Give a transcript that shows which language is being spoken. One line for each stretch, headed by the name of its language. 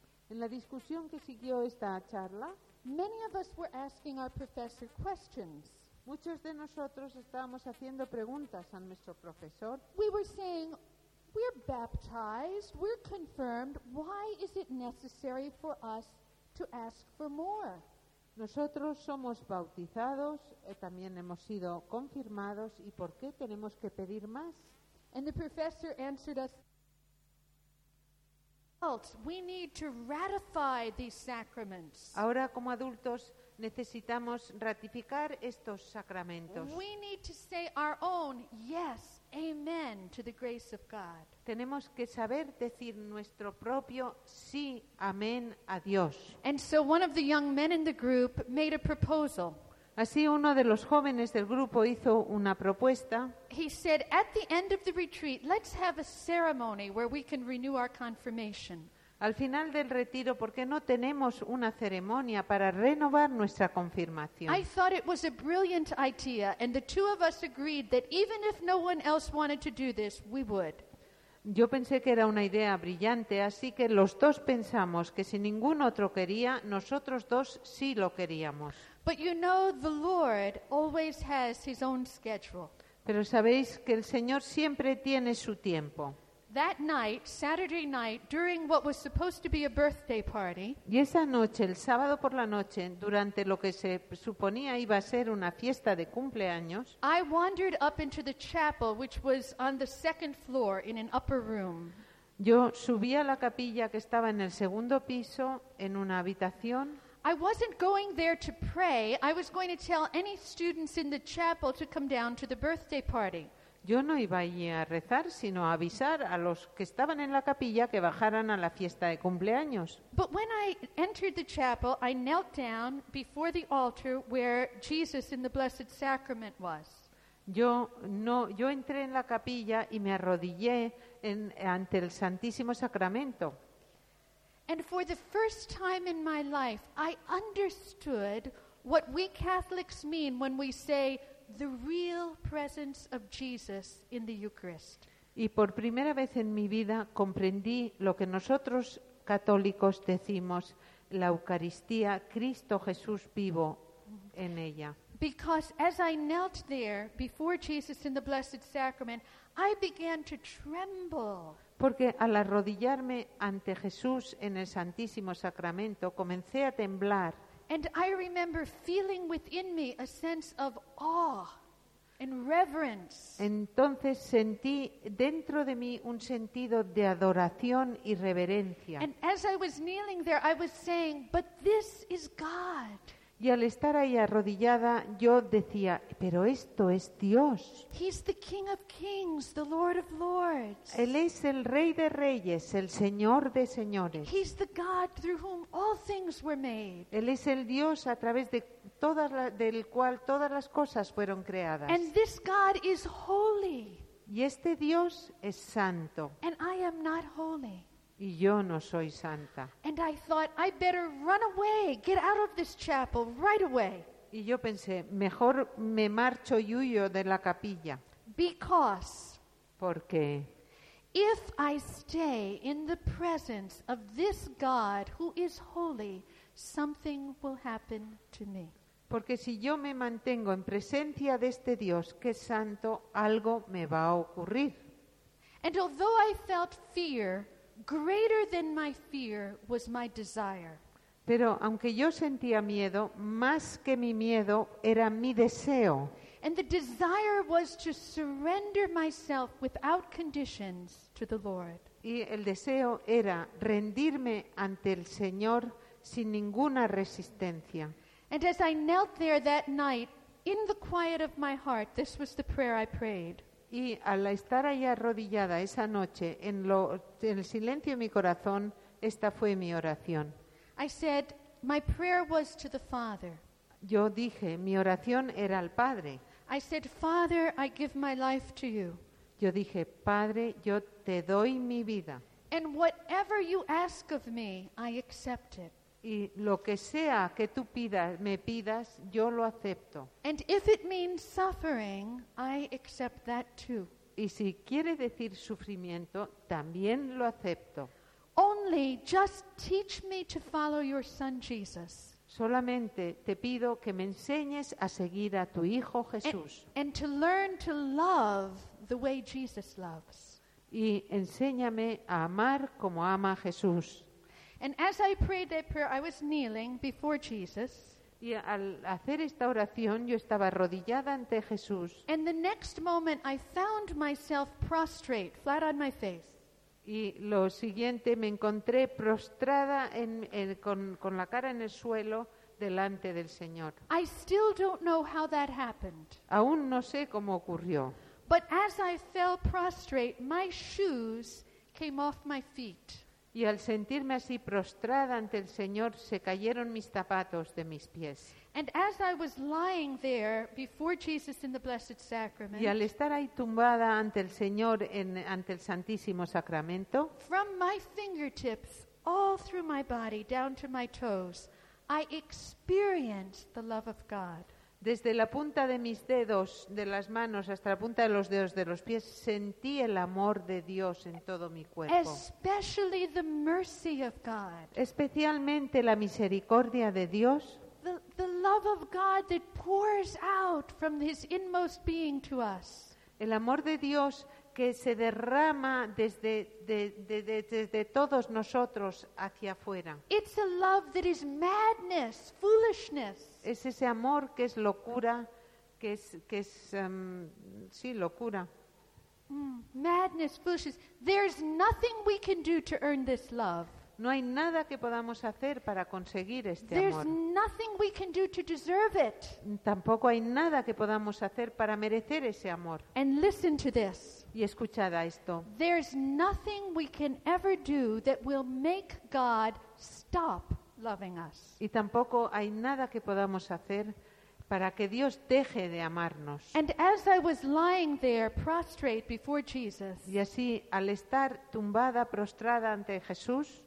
Spanish: en la discusión que siguió esta charla,
English: many of us were asking our professor questions.
Spanish: Muchos de nosotros estábamos haciendo preguntas a nuestro profesor.
English: We were saying, we're baptized, we're confirmed, why is it necessary for us to ask for more?
Spanish: Nosotros somos bautizados, también hemos sido confirmados, ¿y por qué tenemos que pedir más?
English: And the professor answered us, we need to ratify these sacraments.
Spanish: Ahora como adultos necesitamos ratificar estos sacramentos.
English: We need to say our own yes, amen to the grace of God.
Spanish: Tenemos que saber decir nuestro propio sí, amén a Dios.
English: And so one of the young men in the group made a proposal.
Spanish: Así uno de los jóvenes del grupo hizo una propuesta.
English: He said, at the end of the retreat, let's have a ceremony where we can renew our confirmation.
Spanish: Al final del retiro, ¿por qué no tenemos una ceremonia para renovar nuestra confirmación?
English: I thought it was a brilliant idea, and the two of us agreed that even if no one else wanted to do this, we would.
Spanish: Yo pensé que era una idea brillante, así que los dos pensamos que si ningún otro quería, nosotros dos sí lo queríamos.
English: But you know, the Lord always has his own schedule.
Spanish: Pero sabéis que el Señor siempre tiene su tiempo.
English: That night, Saturday night, during what was supposed to be a birthday party.
Spanish: Y esa noche, el sábado por la noche, durante lo que se suponía iba a ser una fiesta de cumpleaños.
English: I wandered up into the chapel, which was on the second floor in an upper room.
Spanish: Yo subí a la capilla que estaba en el segundo piso, en una habitación.
English: I wasn't going there to pray. I was going to tell any students in the chapel to come down to the birthday party.
Spanish: Yo no iba allí a rezar, sino a avisar a los que estaban en la capilla que bajaran a la fiesta de cumpleaños.
English: But when I entered the chapel, I knelt down before the altar where Jesus in the Blessed Sacrament was.
Spanish: Yo entré en la capilla y me arrodillé ante el Santísimo Sacramento.
English: And for the first time in my life, I understood what we Catholics mean when we say the real presence of Jesus in the Eucharist.
Spanish: Y por primera vez en mi vida comprendí lo que nosotros católicos decimos, la Eucaristía, Cristo Jesús vivo en ella.
English: Because as I knelt there before Jesus in the Blessed Sacrament, I began to tremble.
Spanish: Porque al arrodillarme ante Jesús en el Santísimo Sacramento, comencé a temblar.
English: And I remember feeling within me a sense of awe and reverence.
Spanish: Entonces sentí dentro de mí un sentido de adoración y reverencia.
English: And as I was kneeling there, I was saying, "But this is God."
Spanish: Y al estar ahí arrodillada, yo decía, pero esto es Dios.
English: He's the King of Kings, the Lord of Lords.
Spanish: Él es el Rey de Reyes, el Señor de Señores.
English: He's the God through whom all things were made.
Spanish: Él es el Dios a través de del cual todas las cosas fueron creadas.
English: And this God is holy.
Spanish: Y este Dios es santo.
English: And I am not holy.
Spanish: Y yo no soy santa.
English: And I thought, I better run away, get out of this chapel right away.
Spanish: Y yo pensé, mejor me marcho y huyo de la capilla.
English: Because.
Spanish: Porque.
English: If I stay in the presence of this God who is holy, something will happen to me.
Spanish: Porque si yo me mantengo en presencia de este Dios que es santo, algo me va a ocurrir.
English: And although I felt fear, greater than my fear was my desire.
Spanish: Pero aunque yo sentía miedo, más que mi miedo era mi deseo.
English: And the desire was to surrender myself without conditions to the Lord.
Spanish: Y el deseo era rendirme ante el Señor sin ninguna resistencia.
English: And as I knelt there that night, in the quiet of my heart, this was the prayer I prayed.
Spanish: Y al estar ahí arrodillada esa noche, en el silencio de mi corazón, esta fue mi oración.
English: I said, my prayer was to the Father.
Spanish: Yo dije, mi oración era al Padre.
English: I said, Father, I give my life to you.
Spanish: Yo dije, Padre, yo te doy mi vida.
English: And whatever you ask of me, I accept it.
Spanish: Y lo que sea que tú pidas, me pidas, yo lo acepto.
English: And if it means suffering, I accept that too.
Spanish: Y si quiere decir sufrimiento, también lo acepto.
English: Only just teach me to follow your son Jesus.
Spanish: Solamente te pido que me enseñes a seguir a tu hijo Jesús.
English: And to learn to love the way Jesus loves.
Spanish: Y enséñame a amar como ama Jesús.
English: And as I prayed that prayer, I was kneeling before Jesus.
Spanish: Y al hacer esta oración, yo estaba arrodillada ante Jesús.
English: And the next moment, I found myself prostrate, flat on my face.
Spanish: Y lo siguiente, me encontré prostrada con la cara en el suelo delante del Señor.
English: I still don't know how that happened.
Spanish: Aún no sé cómo ocurrió.
English: But as I fell prostrate, my shoes came off my feet.
Spanish: Y al sentirme así prostrada ante el Señor, se cayeron mis zapatos de mis pies.
English: And as I was lying there before Jesus in the Blessed Sacrament,
Spanish: y al estar ahí tumbada ante el Señor ante el Santísimo Sacramento,
English: from my fingertips all through my body down to my toes, I experienced the love of God.
Spanish: Desde la punta de mis dedos de las manos hasta la punta de los dedos de los pies sentí el amor de Dios en todo mi cuerpo.
English: Especially the mercy of God.
Spanish: Especialmente la misericordia de Dios.
English: The love of God that pours out from His inmost being to us.
Spanish: El amor de Dios que se derrama desde todos nosotros hacia afuera.
English: It's a love that is madness, foolishness.
Spanish: Es ese amor que es locura, que es locura.
English: Madness, foolishness. There's nothing we can do to earn this love.
Spanish: No hay nada que podamos hacer para conseguir este amor.
English: There's nothing we can do to deserve it.
Spanish: Tampoco hay nada que podamos hacer para merecer ese amor.
English: And listen to this.
Spanish: Y escuchad a esto.
English: There's nothing we can ever do that will make God stop loving us.
Spanish: Y tampoco hay nada que podamos hacer para que Dios deje de amarnos.
English: And as I was lying there prostrate before Jesus,
Spanish: y así al estar tumbada prostrada ante Jesús,